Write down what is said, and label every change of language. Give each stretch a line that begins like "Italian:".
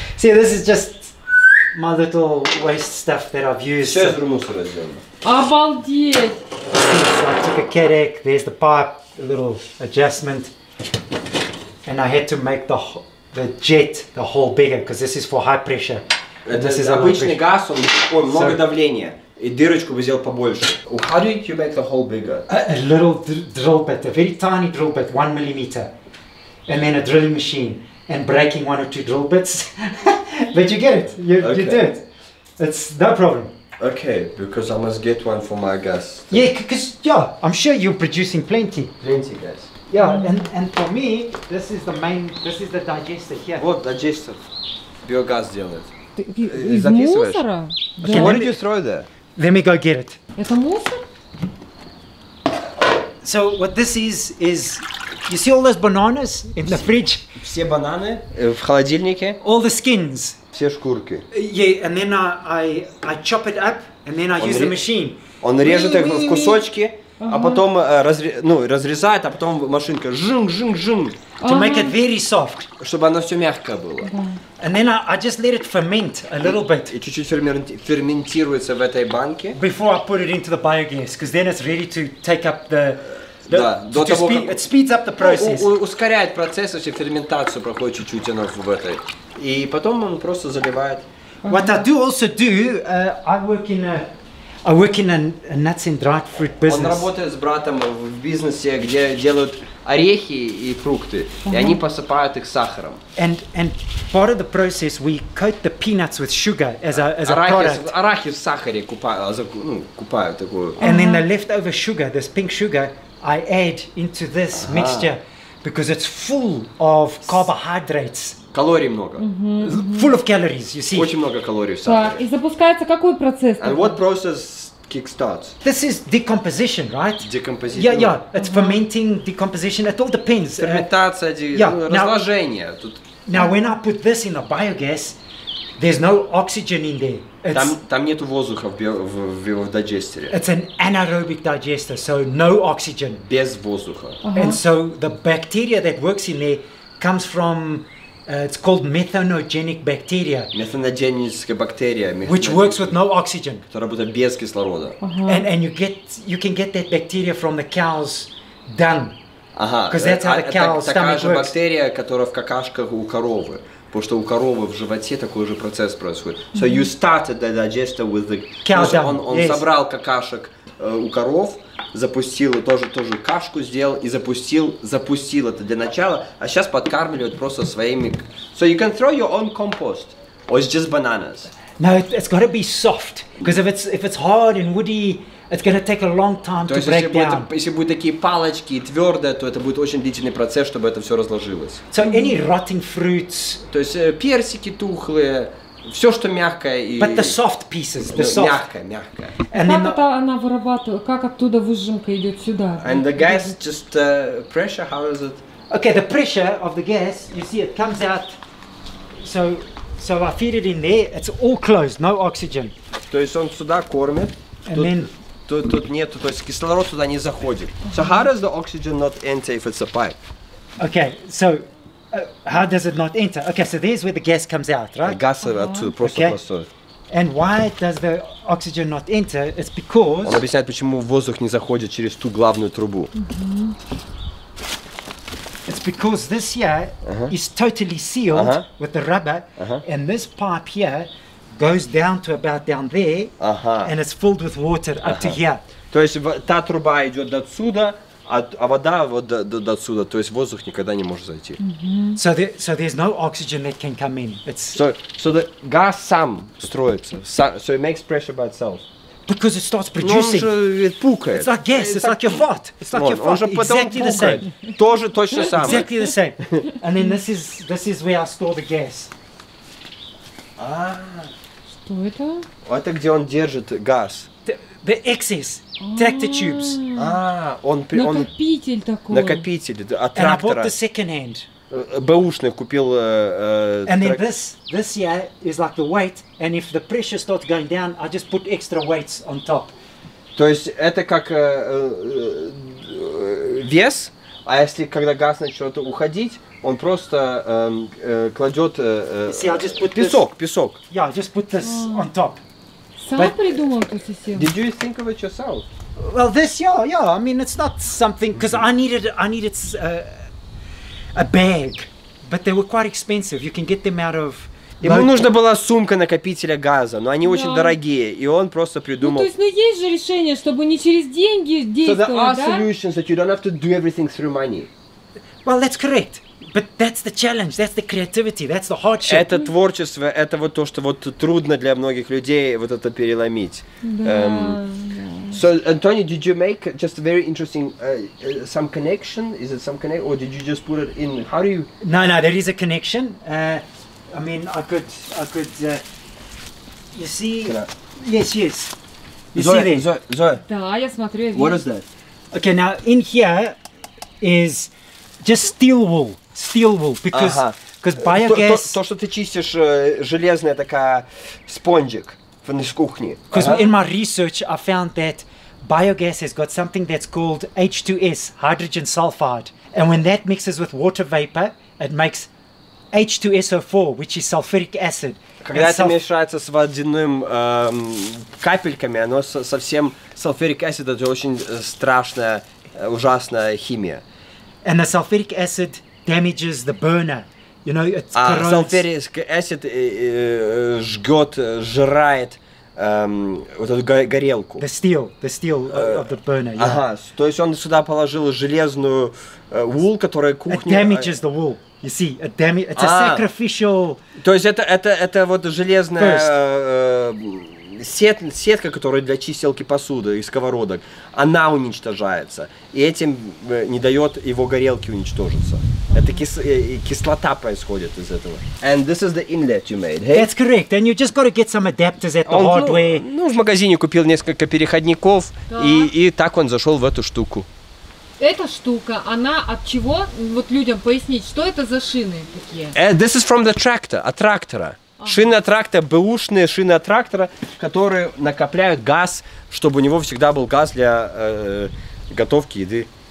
English: See, this is just my little waste stuff that I've used. Ce-ai drumul să rezolvă? Abaldiet. So I took a cat egg, there's the pipe, a little adjustment. And I had to make the jet, the hole bigger, because this is for high pressure. This is
Russian: обычный газ, он такой, много давления. И дырочку бы сделал побольше.
English: How did you make the hole bigger? A little drill bit, a very tiny drill bit, 1 millimeter. And then a drilling machine. And breaking one or two drill bits. But you get it, you do it. It's no problem. Okay, because I must get one for my gas. Yeah, because, yeah, I'm sure you're producing plenty. Plenty, guys. Yeah, and for me, this is the main, this is the digester here. What digester? Biogas
Russian: делает. Записываешь? Мусора?
English: Okay, what did you throw there? Let me go get it.
Russian: Это мусор?
English: So what this is you see all those bananas in the fridge?
Russian: Все бананы в холодильнике.
English: All the skins.
Russian: Все шкурки.
English: Yeah, and then I chop it up and then I use the machine.
Russian: Он режет их в кусочки, а потом разрезает, а потом машинка жинг-жинг-жинг.
English: To make it very soft.
Russian: Чтобы оно все мягкое было.
English: And then I just let it ferment a little bit.
Russian: И чуть-чуть ферментируется в этой банке.
English: Before I put it into the biogas, because then it's ready to take up the.
Russian: Да, до того, как...
English: It speeds up the process.
Russian: Ускоряет процесс, если ферментацию проходит чуть-чуть оно в этой. И потом он просто заливает.
English: What I do also do, I work in a nuts and dried fruit business.
Russian: Он работает с братом в бизнесе, где делают орехи и фрукты, и они посыпают их сахаром.
English: And part of the process, we coat the peanuts with sugar as a product.
Russian: Арахис в сахаре купают такую.
English: And then the leftover sugar, this pink sugar, I add into this mixture because it's full of carbohydrates.
Russian: Калорий много.
English: Full of calories, you see.
Russian: Очень много калорий в сахаре. Так, и запускается какой процесс?
English: And what process kickstarts? This is decomposition, right? Decomposition. Yeah, yeah. It's fermenting, decomposition. It all depends.
Russian: Ферментация, разложение.
English: Now, when I put this in the biogas, there's no oxygen in there.
Russian: Там нету воздуха в дайджестере.
English: It's an anaerobic digester, so no oxygen.
Russian: Без воздуха.
English: And so the bacteria that works in there comes from it's called methanogenic bacteria. Methanogenic bacteria. Which works with no oxygen.
Russian: Которая работает без кислорода.
English: And you can get that bacteria from the cow's dung.
Russian: Ага.
English: Because that's how the cow's stomach works.
Russian: Такая же бактерия, которая в какашках у коровы. Потому что у коровы в животе такой же процесс происходит.
English: So you started the digester with the cow dung.
Russian: Он собрал какашек у коров. Запустил тоже кашку сделал и запустил это для начала, а сейчас подкармливает просто своими.
English: So you can throw your own compost, or it's just bananas? No, it's got to be soft, because if it's hard and woody, it's going to take a long time to break down.
Russian: Если будут такие палочки и твердое, то это будет очень длительный процесс, чтобы это все разложилось.
English: So any rotting fruits?
Russian: То есть персики тухлые. Все, что мягкое и...
English: But the soft pieces, the soft.
Russian: Мягкое. And как это она вырабатывает? Как оттуда выжимка идет сюда?
English: And the gas, just pressure, how is it? Okay, the pressure of the gas, you see it comes out. So I feed it in there, it's all closed, no oxygen.
Russian: То есть он сюда кормит,
English: and then...
Russian: тут нету, то есть кислород сюда не заходит.
English: So how does the oxygen not enter if it's a pipe? Okay, so... how does it not enter? Okay, so there's where the gas comes out, right? The gas are too processed. Okay. And why does the oxygen not enter? It's because...
Russian: Он объясняет, почему воздух не заходит через ту главную трубу.
English: It's because this here is totally sealed with the rubber, and this pipe here goes down to about down there, and it's filled with water up to here.
Russian: То есть та труба идет до сюда, а вода вот до отсюда, то есть воздух никогда не может зайти.
English: So there's no oxygen that can come in. So the gas
Russian: сам строится,
English: so it makes pressure by itself. Because it starts producing.
Russian: Но он же пукает.
English: It's like gas, it's like your fart. It's like your fart. Exactly the same.
Russian: Тоже точно самое.
English: Exactly the same. And then this is where I store the gas.
Russian: Что это? Это где он держит газ.
English: The excess. Tractor tubes.
Russian: Он накопитель такой. Накопитель от трактора.
English: And I bought the second hand.
Russian: Бэушный купил.
English: And then this here is like the weight, and if the pressure starts going down, I just put extra weights on top.
Russian: То есть это как вес, а если когда газ начнет уходить, он просто кладет песок, песок.
English: Yeah, I just put this on top.
Russian: Сам придумал эту систему.
English: Did you think of it yourself? Well, this, yeah. I mean, it's not something because I needed a bag, but they were quite expensive. You can get them out of.
Russian: Ему нужна была сумка накопителя газа, но они очень дорогие, и он просто придумал. То есть, но есть же решение, чтобы не через деньги действовать, да?
English: So there are solutions that you don't have to do everything through money. Well, that's correct, but that's the challenge, that's the creativity, that's the hardship.
Russian: Это творчество, это вот то, что вот трудно для многих людей вот это переломить. Да.
English: So, Antonio, did you make just a very interesting some connection? Is it some connection, or did you just put it in? How do you? No, there is a connection. I mean, I could. You see? Yes. Zoe.
Russian: Да, я смотрю.
English: What is that? Okay, now in here is just steel wool, because biogas.
Russian: То, что ты чистишь, железная такая спонжик.
English: Because in my research, I found that biogas has got something that's called H2S, hydrogen sulfide. And when that mixes with water vapor, it makes H2SO4, which is sulfuric acid.
Russian: Когда это мешается с водяным капельками, оно совсем sulfuric acid, это очень страшная, ужасная химия.
English: And the sulfuric acid damages the burner. You know, it corrodes. Sulfuric acid
Russian: жжет, жрает. Вот эту горелку.
English: The steel of the burner. Yeah.
Russian: Ага, то есть он сюда положил железную wool, которая кухня.
English: It damages the wool. You see, it's a sacrificial.
Russian: То есть это вот железная сетка, которая для чистилки посуды и сковородок, она уничтожается. И этим не дает его горелке уничтожиться. Это кислота происходит из этого.
English: And this is the inlet you made, hey? That's correct. And you just got to get some adapters at the hard way.
Russian: Ну, в магазине купил несколько переходников, и так он зашел в эту штуку. Эта штука, она от чего? Вот людям пояснить, что это за шины такие?
English: This is from the tractor,
Russian: от трактора. Шины от трактора, бэушные шины от трактора, которые накопляют газ, чтобы у него всегда был газ для готовки еды.